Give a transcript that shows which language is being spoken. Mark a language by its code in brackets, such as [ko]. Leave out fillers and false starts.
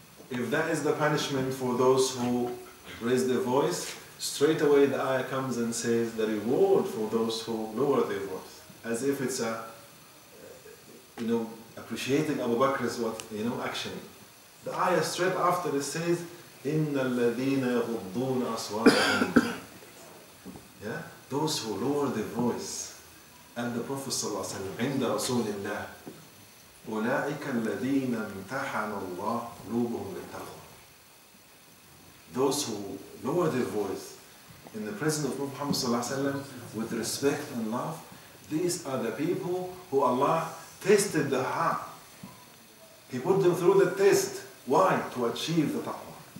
[en] If that is the punishment for those who raise their voice, straight away the ayah comes and says the reward for those who lower their voice, as if it's a, you know, appreciating Abu Bakr's what, you know, action. The ayah straight after it says, [ar] إِنَّ الَّذِينَ يَغُضُّونَ أَصْوَاتَهُمْ. [en] Yeah? Those who lower their voice at the Prophet [ar] صلى الله عليه وسلم عند رسول الله أُولَٰئِكَ الَّذِينَ امْتَحَنَ اللَّهُ قُلُوبُهُمْ لِلتَّقْوَى. [en] Those who lower their voice in the presence of Prophet Muhammad صلى الله عليه وسلم with respect and love, these are the people who Allah tested the heart. He put them through the test. Why? To achieve the taqwa.